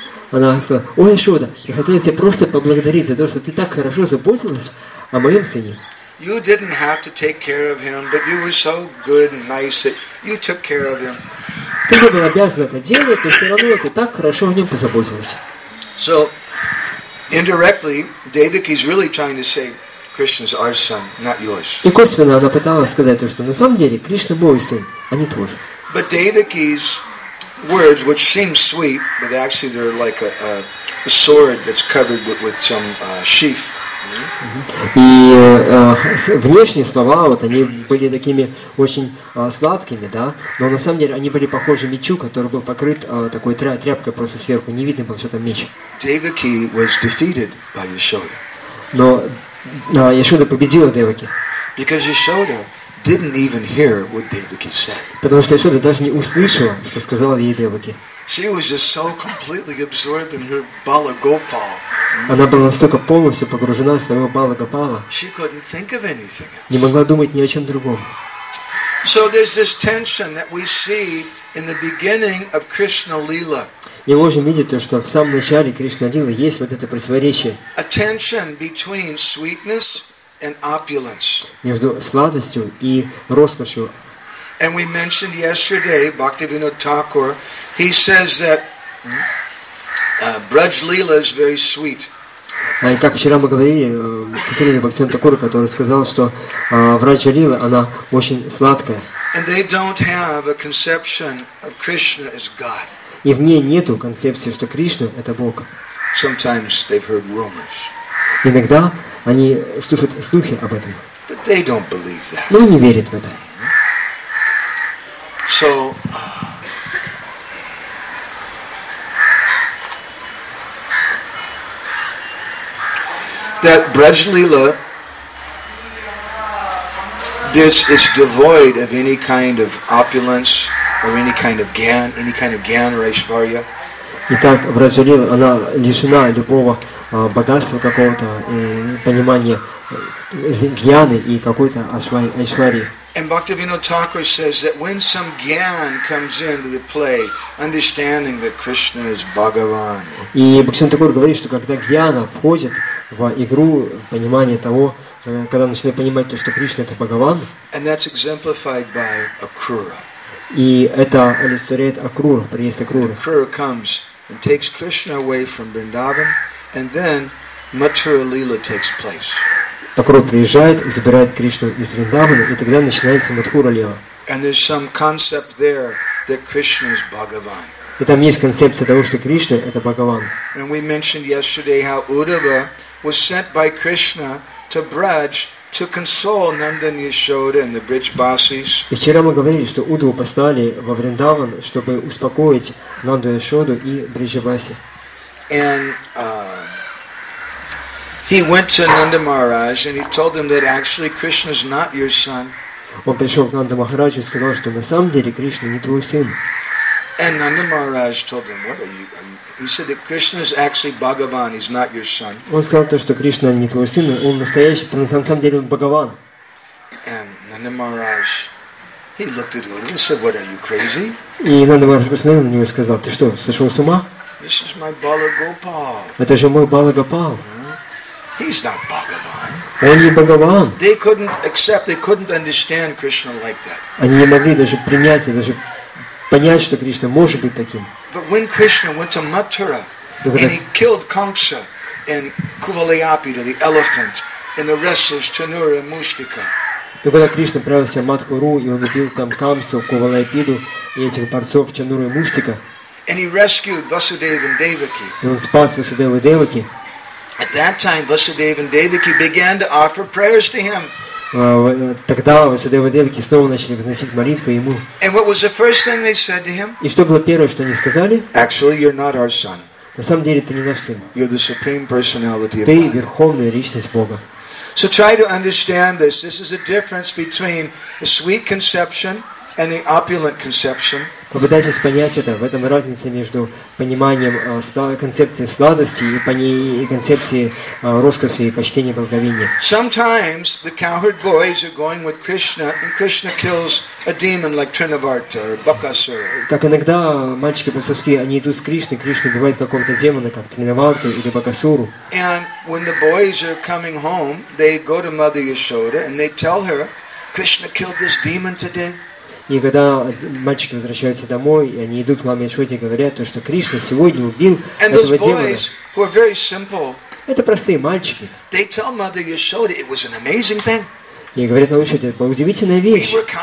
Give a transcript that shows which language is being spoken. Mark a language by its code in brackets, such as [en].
[ru] Она сказала: "О, Яшода, я хотела тебя просто поблагодарить за то, что ты так хорошо заботилась о моем сыне." [en] You didn't have to take care of him, but you were so good and nice that you took care of him. [ru] Ты не была обязана это делать, но все равно ты так хорошо о нем позаботилась. [en] So, indirectly, Devaki's really trying to say. Krishna's our son, not yours. [ru] И косвенно она пыталась сказать то, что на самом деле Кришна мой сын, а не твой. [en] But Devaki's words, which seem sweet, but actually they're like a sword that's covered with some sheath. [ru] И внешние слова вот они были такими очень сладкими, да, но на самом деле они были похожи мечу, который был покрыт такой тряпкой просто сверху, не видно было, что там меч. [en] Devaki was defeated by Yashoda. [ru] Но Яшода победила Деваки. [en] Because Yashoda didn't even hear what Devaki said. [ru] Потому что Яшода даже не услышала, что сказала ей Деваки. [en] She was just so completely absorbed in her Bala Gopal. [ru] Она была настолько полностью погружена в своего Бала Гопала. [en] She couldn't think of anything else. [ru] Не могла думать ни о чем другом. [en] So there's this tension that we see in the beginning of Krishna Lila. [ru] Мы можем видеть то, что в самом начале Кришна Лилы есть вот это противоречие. [en] A tension between sweetness and opulence. [ru] Между сладостью и роскошью. [en] And we mentioned yesterday, Bhaktivinoda Thakur, he says that Braj Lila is very sweet. [ru] И как вчера мы говорили, цитировали Бхактивинода Такура, который сказал, что Брадж Лила, она очень сладкая. [en] And they don't have a conception of Krishna as God. [ru] И в ней нету концепции, что Кришна – это Бог. [en] Sometimes they've heard rumors. [ru] Иногда они слышат слухи об этом. [en] But they don't believe that. [ru] Но они не верят в это. [en] So, that Braj Lila, this is devoid of any kind of opulence. Or any kind of gyan, any kind of gyan or aishvarya. [ru] Итак, Брадж Лила, она лишена любого богатства какого-то понимания гьяны и какой-то айшварьи. [en] And Bhaktivinoda Thakur says that when some gyan comes into the play, understanding that Krishna is Bhagavan. [ru] И Бхактивинода Такур говорит, что когда гьяна входит в игру понимания того, когда начинает понимать то, что Кришна это Бхагаван. [en] And that's exemplified by Akrura. [ru] И это олицетворяет Акрура, приезд Акрура. [en] Akrura comes and takes Krishna away from Vrindavan, and then Mathura Lila takes place. [ru] Акрура приезжает, забирает Кришну из Вриндавана, и тогда начинается Матхура Лила. [en] And there's some concept there that Krishna is Bhagavan. [ru] И там есть концепция того, что Кришна это Бхагаван. [en] And we mentioned yesterday how Uddhava was sent by Krishna to Braj. To console Nanda and Yashoda and the Brijbasis. [ru] И вчера мы говорили, что Удву послали во Вриндаван, чтобы успокоить Нанду и Яшоду и Брижбаси. [en] And he went to Nanda Maharaj and he told him that actually Krishna is not your son. [ru] Он пришел к Нанда Махараджу и сказал, что на самом деле Кришна не твой сын. [en] And Nanda Maharaj told him, "What are you?" He said that Krishna is actually Bhagavan. He's not your son. [ru] Он сказал то, что Кришна не твой сын. Он настоящий, на самом деле он Бхагаван. [en] And Nanda Maharaj, he looked at Uddhava and said, "What are you crazy?" [ru] И Нанда Махарадж посмотрел на него и сказал: "Ты что, сошел с ума?" [en] This is my Bala Gopal. [ru] Это же мой Бала Гопал. [en] He's not Bhagavan. [ru] Он не Бхагаван. [en] They couldn't accept, they couldn't understand Krishna like that. [ru] Они не могли даже принять, даже понять, что Кришна может быть таким. [en] But when Krishna went to Mathura and he killed Kamsa and Kuvalayapita, the elephants, and the rest of Chanura and Mushtika. [ru] Но когда Кришна отправился в Матхуру, и он убил там Камсу, Кувалайпиду и этих борцов Чануру и Муштика, [en] and he rescued Vasudeva and Devaki. [ru] И он спас Васудеву и Деваки. [en] At that time, Vasudeva and Devaki began to offer prayers to him. [ru] Тогда Васудева и Деваки снова начали возносить молитвы ему. [en] And what was the first thing they said to him? [ru] И что было первое, что они сказали? [en] Actually, you're not our son. [ru] На самом деле, ты не наш сын. [en] You're the supreme personality of God. [ru] Ты верховная личность Бога. [en] So try to understand this. This is a difference between the sweet conception and the opulent conception. [ru] Попытайтесь понять это. В этом разница между пониманием концепции сладости и концепции роскоши и почтения благовения. [en] Sometimes the cowherd boys are going with Krishna, and Krishna kills a demon like Trinavarta or Bakasura. [ru] Так иногда мальчики по-сосски они идут с Кришной, Кришна убивает какого-то демона, как Тринаварту или Бакасуру. [en] And when the boys are coming home, they go to Mother Yashoda and they tell her, Krishna killed this demon today. [ru] И когда мальчики возвращаются домой, и они идут к маме Яшоде и говорят, то, что Кришна сегодня убил этого демона. Это простые мальчики. И говорят маме Яшоде, это была удивительная вещь.